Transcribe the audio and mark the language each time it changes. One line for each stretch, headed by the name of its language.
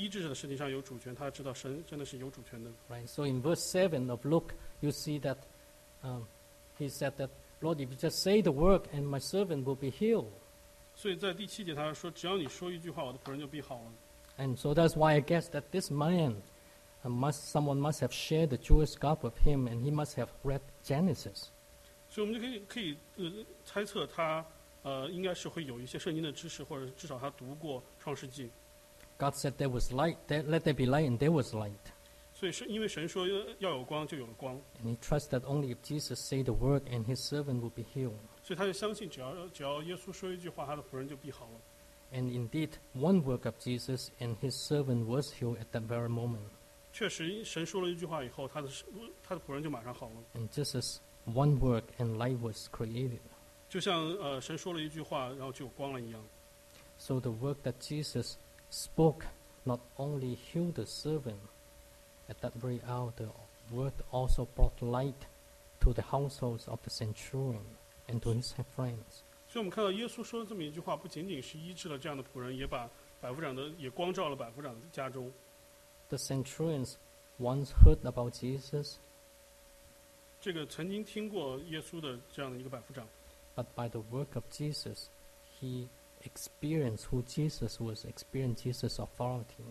Chinese: 所以这个百夫长他不仅仅说是知道神在这个医治的事情上有主权，他知道神真的是有主权的。Right.
English: So in verse 7 of Luke, you see that he said that, Lord, if you just say the word, and my servant will be healed.
Chinese: 所以在第七节他说，只要你说一句话，我的仆人就必好了。And
English: so that's why I guess that this man, someone must have shared the Jewish God with him, and he must have read Genesis.
Chinese: 所以我们就可以猜测他。
English: God said there was light, let there be light, and there was light.
Chinese: 所以是因为神说要有光就有了光。
English: And he trusted that only if Jesus said the word and his servant would be healed.
Chinese: 所以他就相信只要耶稣说一句话，他的仆人就必好了。
English: And indeed, one work of Jesus and his servant was healed at that very moment.
Chinese: 确实神说了一句话以后，他的仆人就马上好了。
English: And just as one work and light was created.
Chinese: 就像神说了一句话，然后就有光了一样。So
English: the work that Jesus spoke not only healed the servant at that very hour, the word also brought light to the households of the centurion and to his friends.
Chinese: 所以我们看到耶稣说这么一句话，不仅仅是医治了这样的仆人，也把百夫长的也光照了百夫长的家中。The
English: centurions once heard about Jesus.
Chinese: 这个曾经听过耶稣的这样的一个百夫长。
English: But by the work of Jesus, he experienced who Jesus was, experienced Jesus' authority.